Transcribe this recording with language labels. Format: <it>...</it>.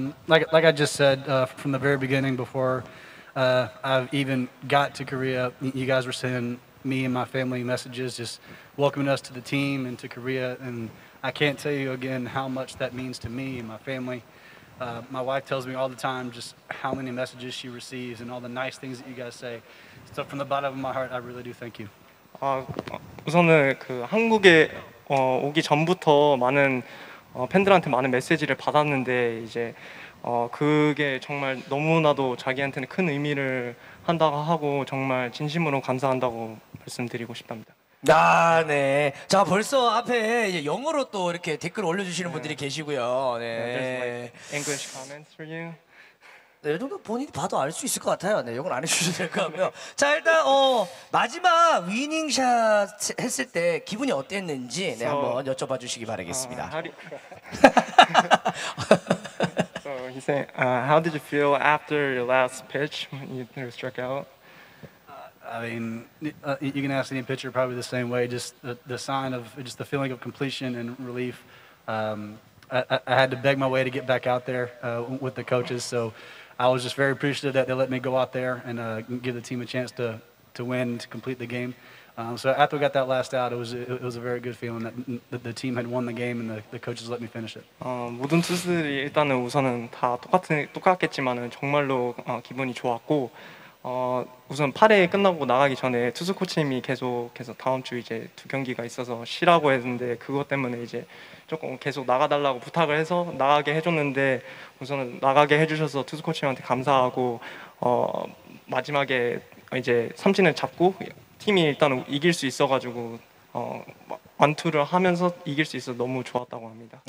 <en>Like I just said from the very beginning before I've even got to Korea, you guys were sending me and my family messages just welcoming us to the team and to Korea, and I can't tell you again how much that means to me and my family. My wife tells me all the time just how many messages she receives and all the nice things that you guys say. So from the bottom of my heart, I really do thank you.</en> <ko>우선은 그 한국에 오기 전부터 많은 팬들한테 많은 메시지를 받았는데 이제 그게 정말 너무나도 자기한테는 큰 의미를 한다고 하고 정말 진심으로 감사한다고 말씀드리고 싶답니다. 아, 네. 자, 벌써 앞에 이제 영어로 또 이렇게 댓글 올려주시는 네. 분들이 계시고요. 네.</ko> <en>English comments for you.</en> <ko>네, 이 정도 본인이 봐도 알 수 있을 것 같아요. 네, 이건 안 해주셔도 될 것 같고요. 자, 일단 마지막 위닝 샷 했을 때 기분이 어땠는지 네, 한번 여쭤봐 주시기 바라겠습니다.</ko> <en>So he said, how did you feel after your last pitch when you struck out? I mean, you can ask any pitcher probably the same way. Just the sign of just the feeling of completion and relief. I had to beg my way to get back out there with the coaches. So I was just very appreciative that they let me go out there and give the team a chance to win, to complete the game. So after we got that last out, it was a very good feeling that the team had won the game and the coaches let me finish it.</en> <ko>모든 투수들이 일단은 우선은 다 똑같겠지만은 정말로 기분이 좋았고 우선 8회 끝나고 나가기 전에 투수 코치님이 계속 다음 주 이제 두 경기가 있어서 쉬라고 했는데 그것 때문에 이제 조금 계속 나가달라고 부탁을 해서 나가게 해줬는데 우선은 나가게 해주셔서 투수 코치님한테 감사하고 마지막에 이제 삼진을 잡고 팀이 일단 이길 수 있어가지고 완투를 하면서 이길 수 있어서 너무 좋았다고 합니다.</ko>